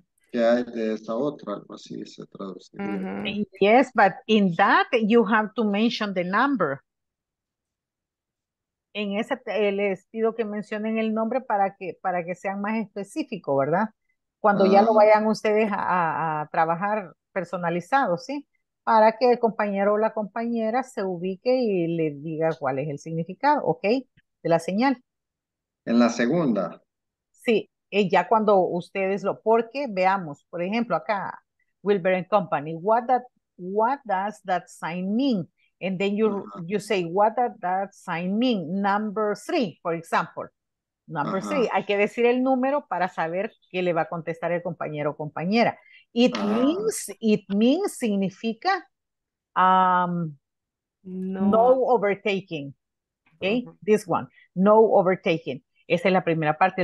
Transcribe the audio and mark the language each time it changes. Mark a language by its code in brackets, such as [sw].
[es] Que hay de esa otra, algo así se traduce. Mm-hmm. [en] Yes, but in that you have to mention the number. [es] En esa les pido que mencionen el nombre para que sean más específicos, ¿verdad? Cuando ya lo vayan ustedes a trabajar personalizado, ¿sí? Para que el compañero o la compañera se ubique y le diga cuál es el significado, ¿ok? De la señal. En la segunda. Sí. Ya cuando ustedes lo, porque veamos, por ejemplo, acá, Wilbur and Company, [en] what does that sign mean? And then you say, what does that sign mean? Number 3, for example. [es] Number 3, hay que decir el número para saber qué le va a contestar el compañero o compañera. [en] It means significa no overtaking. Okay, this one, no overtaking. [es] Esa es la primera parte.